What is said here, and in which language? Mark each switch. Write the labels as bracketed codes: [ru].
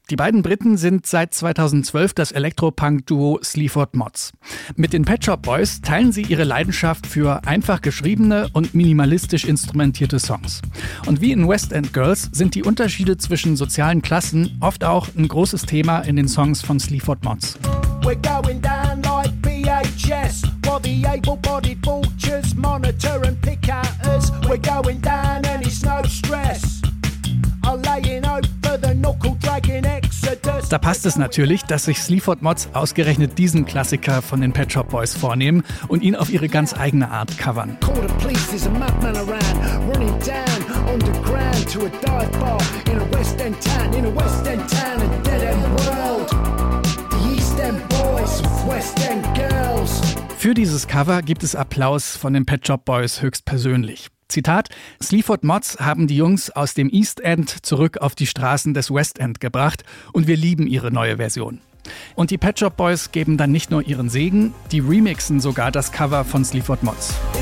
[de] Die beiden Briten sind seit 2012 das Elektropunk-Duo Sleaford Mods. Mit den Pet Shop Boys teilen sie ihre Leidenschaft für einfach geschriebene und minimalistisch instrumentierte Songs. Und wie in West End Girls sind die Unterschiede zwischen sozialen Klassen oft auch ein großes Thema in den Songs von Sleaford Mods. [en] We're going down like VHS, while the able-bodied vultures monitor and pick at us. We're going down and it's no stress. I'll lay in hope for the knuckle-dragging exodus. [de] Da passt es natürlich, dass sich Sleaford Mods ausgerechnet diesen Klassiker von den Pet Shop Boys vornehmen und ihn auf ihre ganz eigene Art covern. [en] Call the police, there's a madman around, running down on the ground to a dive bar in a West End town, in a West End town, a dead end world. The East End boys, West End girls. [de] Für dieses Cover gibt es Applaus von den Pet Shop Boys höchstpersönlich. Zitat: Sleaford Mods haben die Jungs aus dem East End zurück auf die Straßen des West End gebracht und wir lieben ihre neue Version. Und die Pet Shop Boys geben dann nicht nur ihren Segen, die remixen sogar das Cover von Sleaford Mods.